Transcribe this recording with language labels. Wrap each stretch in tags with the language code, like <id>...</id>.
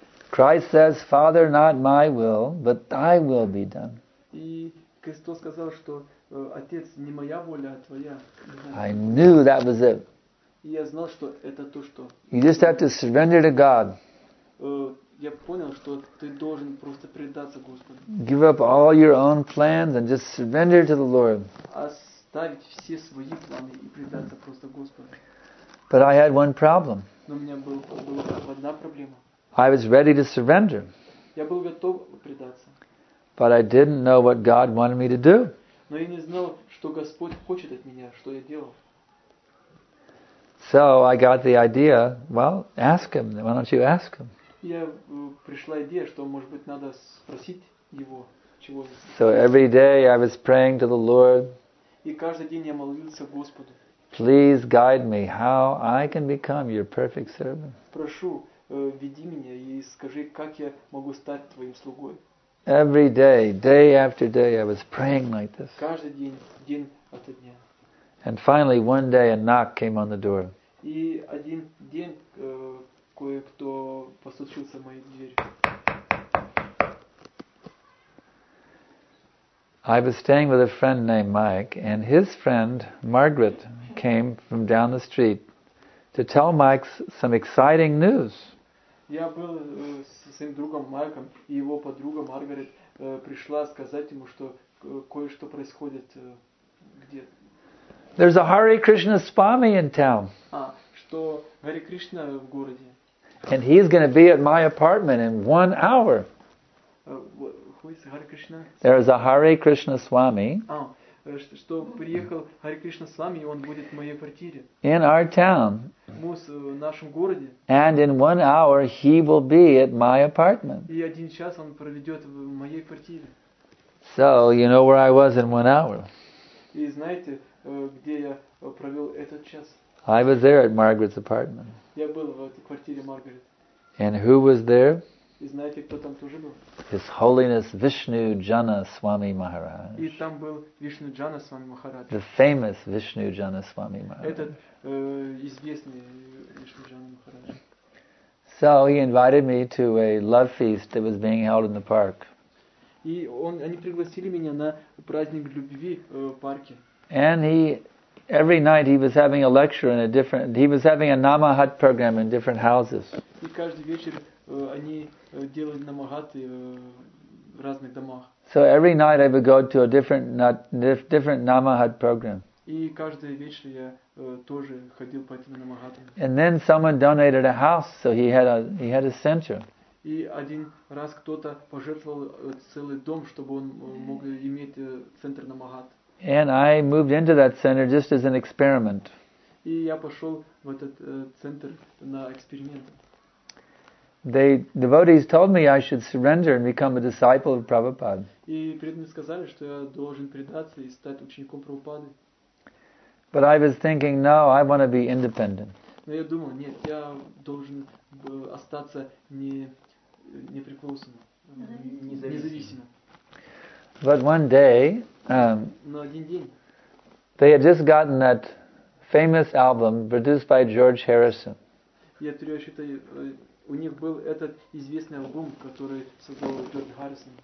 <en>Christ says, Father, not my will, but thy will be done.</en> <ru>И Христос сказал, что Отец, не моя воля, а твоя.</ru> <en>I knew that was it.</en> <ru>Я знал, что это то, что.</ru> <en>You just have to surrender to God.</en> <ru>Я понял, что ты должен просто предаться Господу.</ru> <en>Give up all your own plans and just surrender to the Lord.</en> <ru>Оставить все свои планы и предаться просто Господу.</ru> <en>But I had one problem.</en> <ru>Но у меня была одна проблема.</ru> <en>I was ready to surrender.</en> <ru>Я был готов предаться.</ru> <en>But I didn't know what God wanted me to do.</en> <ru>Но я не знал, что Господь хочет от меня, что я делал.</ru> <en>So I got the idea, well, ask him, why don't you ask him?</en> <ru>Я пришла идея, что, может быть, надо спросить его, чего.</ru> <en>So every day I was praying to the Lord.</en> <ru>И каждый день я молился Господу.</ru> <en>Please guide me how I can become your perfect servant.</en> <ru>Прошу, веди меня и скажи, как я могу стать твоим слугой.</ru> <en>Every day, day after day, I was praying like this.</en> <ru>Каждый день, день ото дня.</ru> <en>And finally, one day, a knock came on the door.</en> <ru>И один день кое-кто постучился в мою дверь.</ru> <en>I was staying with a friend named Mike, and his friend Margaret came from down the street to tell Mike some exciting news.</en> <ru>Я был со своим другом Майком, и его подруга Маргарет пришла сказать ему, что кое-что происходит где.</ru> <en>There's a Hare Krishna Swami in town.</en> <ru>А, что Hare Krishna в городе.</ru> <en>And he's going to be at my apartment in 1 hour. Who is Hare Krishna? There is a Hare Krishna Swami.</en> <ru>А, что приехал Hare Krishna Swami, и он будет в моей квартире.</ru> <en>In our town.</en> <ru>В нашем городе.</ru> <en>And in 1 hour he will be at my apartment.</en> <ru>И один час он проведет в моей квартире.</ru> <en>So, you know where I was in 1 hour.</en> <ru>И знаете, где я провел этот час?</ru> <en>I was there at Margaret's apartment.</en> <ru>Я был в этой квартире Маргарет.</ru> <en>And who was there?</en> <ru>И знаете, кто там тоже был?</ru> <en>His Holiness Vishnu Jana Swami Maharaj.</en> <ru>И там был Вишну Джана Свами Махарадж.</ru> <en>The famous Vishnu Jana Swami Maharaj.</en> <ru>Этот известный Вишну Джана Махарадж.</ru> <en>So he invited me to a love feast that was being held in the park.</en> <ru>И они пригласили меня на праздник любви в парке.</ru> <en>And every night he was having a lecture in a different. He was having a Namahat program in different houses.</en> <ru>И каждый вечер они делали намахаты в разных домах.</ru> <en>So every night I would go to a different Namahat program.</en> <ru>И каждый вечер я тоже ходил по этим намахатам.</ru> <en>And then someone donated a house, so he had a center.</en> <ru>И один раз кто-то пожертвовал целый дом, чтобы он мог иметь центр намахат.</ru> <en>And I moved into that center just as an experiment.</en> <ru>И я пошел в этот центр на эксперимент.</ru> <en>They devotees told me I should surrender and become a disciple of Prabhupada.</en> <ru>И преданные сказали, что я должен предаться и стать учеником Прабхупады.</ru> <en>But I was thinking, no, I want to be independent.</en> <ru>Но я думал, нет, я должен остаться непреклонным, независимым.</ru> <en>But one day, they had just gotten that famous album produced by George Harrison.</en> <ru>Я тогда считаю, у них был этот известный альбом, который создал Джордж Харрисон.</ru>